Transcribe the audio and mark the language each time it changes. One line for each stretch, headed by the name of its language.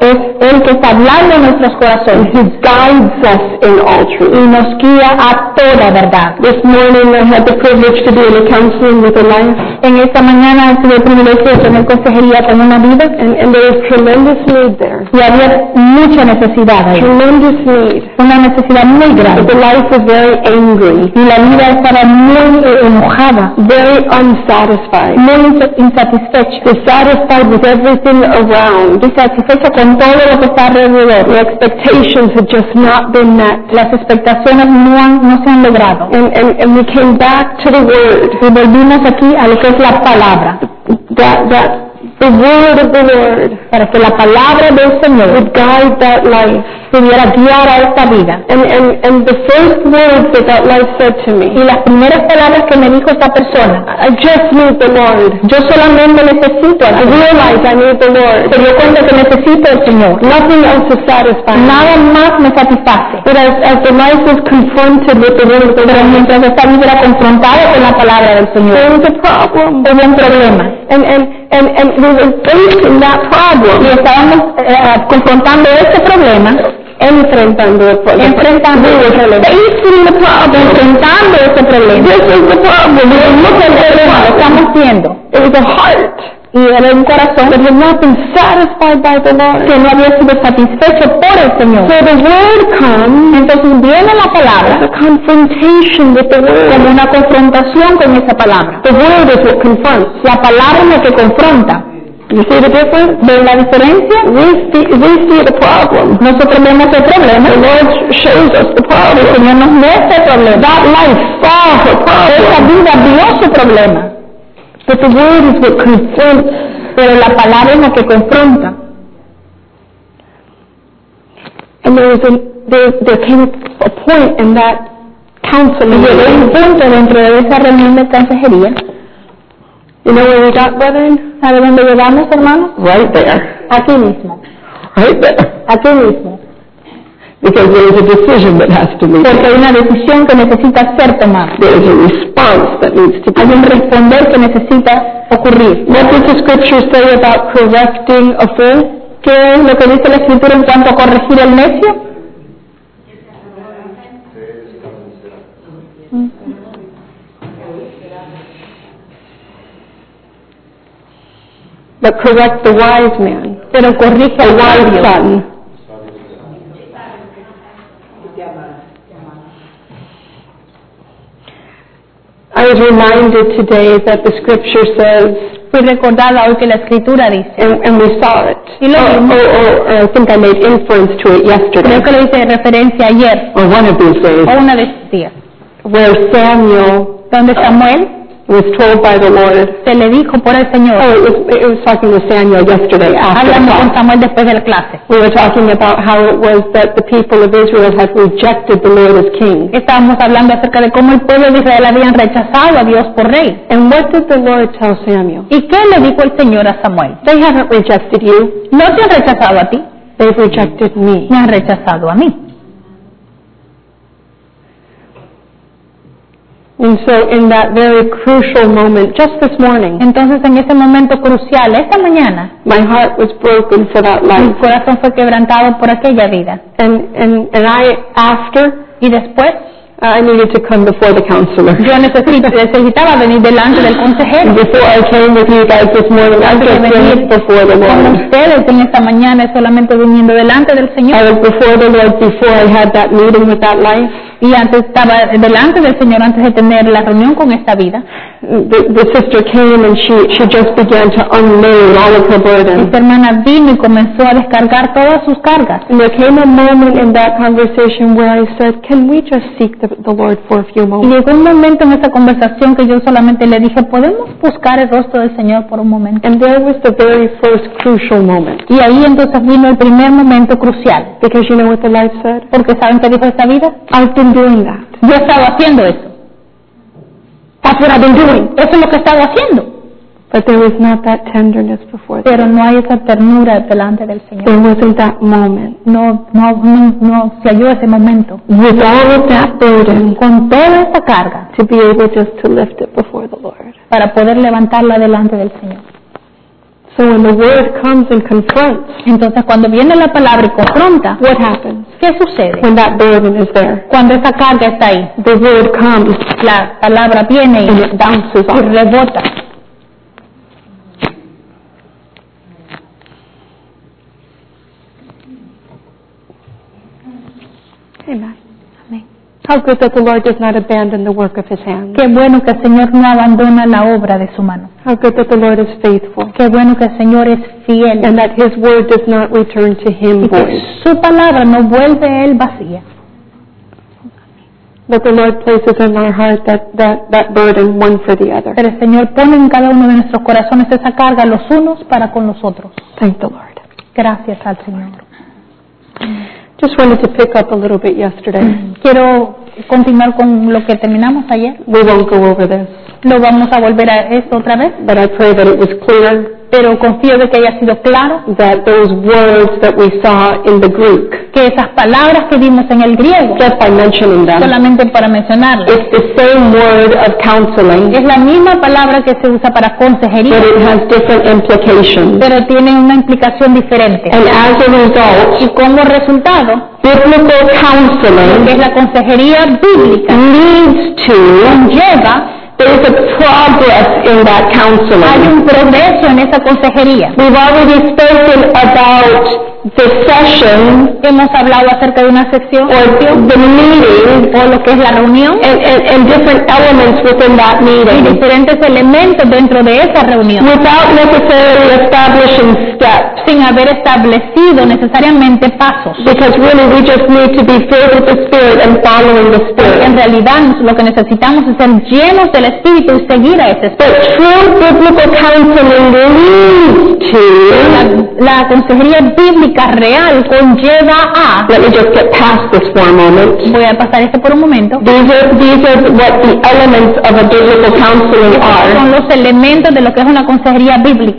Spanish: Es el que está hablando en nuestros corazones.
English: He guides us in all truth.
Spanish: Y nos guía a toda verdad.
English: This morning I had the privilege to be in a counseling with a life.
Spanish: En esta mañana tuve el privilegio de tener consejería con una vida.
English: And there was tremendous need there.
Spanish: Y había mucha necesidad ahí.
English: Tremendous need.
Spanish: Una necesidad muy grande.
English: But the life was very angry.
Spanish: Y la vida estaba muy enojada.
English: Very unsatisfied.
Spanish: Muy insatisfecha.
English: Dissatisfied with everything around.
Spanish: Dissatisfecha con todo lo que está alrededor.
English: The expectations had just not been met.
Spanish: Las expectaciones no se han logrado.
English: And we came back to the word.
Spanish: Y volvimos aquí a lo que es la palabra.
English: That the word of the Lord.
Spanish: Para que la palabra del Señor
English: would guide that life.
Spanish: Pudiera guiar a esta vida.
English: And the first words that life said to me.
Spanish: Y las primeras palabras que me dijo esta persona.
English: I just need the Lord.
Spanish: Yo solamente necesito.
English: I realize I need the Lord.
Spanish: Se dio cuenta que necesito al Señor.
English: Nothing else is satisfying.
Spanish: Nada más me satisface.
English: But as the life was confronted with the word of the Lord.
Spanish: Pero mientras esta vida era confrontada con la palabra del Señor.
English: There was a problem.
Spanish: Había un problema.
English: And we were facing that problem.
Spanish: Y estábamos confrontando ese problema. Enfrentando el problema. Enfrentando el problema.
English: Facing the problem.
Spanish: Enfrentando ese problema.
English: This is the problem.
Spanish: Y es el problema que estamos viendo.
English: It was a heart.
Spanish: Y era un corazón.
English: That had not been satisfied by the Lord.
Spanish: Que no había sido satisfecho por el Señor.
English: So the word comes.
Spanish: Entonces viene la palabra.
English: A confrontation with the word.
Spanish: Como una confrontación con esa palabra.
English: The word is what confronts.
Spanish: La palabra es lo que confronta.
English: You see the difference?
Spanish: ¿Ven la diferencia?
English: We see the problem.
Spanish: Nosotros vemos el problema.
English: The Lord shows us the problem.
Spanish: El Señor nos muestra el problema.
English: That life saw the problem.
Spanish: Esa vida vio su problema.
English: But the word is what confronts.
Spanish: Pero la palabra es la que confronta.
English: And there came a point in that counseling.
Spanish: Hay un punto dentro de esa reunión de consejería.
English: You know where we got, brethren?
Spanish: ¿Sabe dónde llegamos, hermanos?
English: Right there.
Spanish: Aquí mismo.
English: Right there.
Spanish: Aquí mismo.
English: Because there is a decision that has to be made.
Spanish: Porque hay una decisión que necesita ser tomada.
English: There is a response that needs to be
Spanish: made. Hay un responder que necesita ocurrir.
English: What does the scripture say about correcting a fool?
Spanish: ¿Qué es lo que dice la escritura en cuanto a corregir al necio?
English: But correct the wise man.
Spanish: Pero corrige al
English: wise son. I was reminded today that the scripture says.
Spanish: Fui recordada hoy que la escritura dice.
English: And we saw it.
Spanish: Y lo vimos.
English: Or I think I made inference to it yesterday.
Spanish: Creo que lo hice de referencia ayer.
English: Or one of these days.
Spanish: O una de estos días.
English: Where Samuel.
Spanish: Donde Samuel.
English: Was told by the Lord.
Spanish: Se le dijo por el Señor.
English: Oh, it was talking with Samuel yesterday after.
Spanish: Hablando con Samuel después de la clase.
English: We were talking about how it was that the people of Israel had rejected the Lord as king.
Spanish: Estábamos hablando acerca de cómo el pueblo de Israel habían rechazado a Dios por rey.
English: And what did the Lord tell Samuel?
Spanish: ¿Y qué le dijo el Señor a Samuel?
English: They haven't rejected you.
Spanish: No te han rechazado a ti.
English: They've rejected me.
Spanish: Me han rechazado a mí.
English: And so in that very crucial moment, just this morning,
Spanish: entonces en ese momento crucial, esta mañana,
English: my heart was broken for that life.
Spanish: Mi corazón fue quebrantado por aquella vida.
English: And I, after,
Spanish: y después,
English: I needed to come before the counselor.
Spanish: Yo necesitaba venir delante del consejero.
English: Before I came with you guys this morning, I just went before the Lord.
Spanish: Ustedes en esta mañana solamente viniendo delante del Señor.
English: I was before the Lord before I had that meeting with that life.
Spanish: Y antes estaba delante del Señor antes de tener la reunión con esta vida.
English: The sister came and she just began to unload all of her burden.
Spanish: Esta hermana vino y comenzó a descargar todas sus cargas.
English: And there came a moment in that conversation where I said, "Can we just seek the Lord for a few moments?"
Spanish: Y llegó un momento en esa conversación que yo solamente le dije, "¿Podemos buscar el rostro del Señor por un momento?"
English: And there was the very first crucial moment.
Spanish: Y ahí entonces vino el primer momento crucial.
English: Because you know what the life said?
Spanish: Porque saben qué dijo esta vida. Yo estaba haciendo eso.
English: That's what I've been doing.
Spanish: Eso es lo que estaba haciendo.
English: But there was not that tenderness before.
Spanish: Pero no hay esa ternura delante del Señor.
English: There wasn't that moment.
Spanish: No se halló ese momento.
English: With all of that burden,
Spanish: con toda esa carga,
English: to be able just to lift it before the Lord.
Spanish: Para poder levantarla delante del Señor.
English: So when the word comes and confronts,
Spanish: entonces cuando viene la palabra y confronta,
English: what happens?
Spanish: ¿Qué sucede?
English: When that burden is there,
Spanish: cuando esa carga está ahí,
English: the word comes,
Spanish: la palabra viene y
English: bounces
Spanish: y rebota.
English: Amen. How good that the Lord does not abandon the work of His hands.
Spanish: Qué bueno que el Señor no abandona la obra de su mano.
English: How good that the Lord is faithful.
Spanish: Qué bueno que el Señor es fiel.
English: And that His word does not return to Him void.
Spanish: Y que su palabra no vuelve a él vacía.
English: But the Lord places in our heart that burden one for the other.
Spanish: Pero el Señor pone en cada uno de nuestros corazones esa carga los unos para con los otros.
English: Thank the Lord.
Spanish: Gracias al Señor.
English: Just wanted to pick up a little bit yesterday.
Spanish: Quiero continuar con lo que terminamos ayer.
English: We won't go over this.
Spanish: No vamos a volver a esto otra vez.
English: But I pray that it was clear.
Spanish: Pero confío de que haya sido claro.
English: That those words that we saw in the Greek.
Spanish: Que esas palabras que vimos en el griego.
English: Just by mentioning them.
Spanish: Solamente para mencionarlas.
English: It's the same word of counseling.
Spanish: Es la misma palabra que se usa para consejería.
English: But it has different implications.
Spanish: Pero tiene una implicación diferente.
English: And as a result.
Spanish: Y como resultado.
English: Biblical counseling.
Spanish: Que es la consejería bíblica.
English: Leads to.
Spanish: Conlleva.
English: There's a progress in that counseling.
Spanish: Hay un progreso en esa consejería.
English: We've already spoken about the session.
Spanish: Hemos hablado acerca de una sesión.
English: Or the meeting.
Spanish: O lo que es la reunión.
English: And different elements within that meeting.
Spanish: Y diferentes elementos dentro de esa reunión.
English: Without necessarily establishing steps.
Spanish: Sin haber establecido necesariamente pasos.
English: Because really we just need to be filled with the Spirit and following the Spirit.
Spanish: Porque en realidad lo que necesitamos es ser llenos del Espíritu y seguir a ese Espíritu.
English: But true biblical counseling leads to
Spanish: la consejería bíblica real conlleva a.
English: Let me just get past this for a moment.
Spanish: Voy a pasar esto por un momento.
English: These are what the elements of a biblical counseling are.
Spanish: Son los elementos de lo que es una consejería bíblica.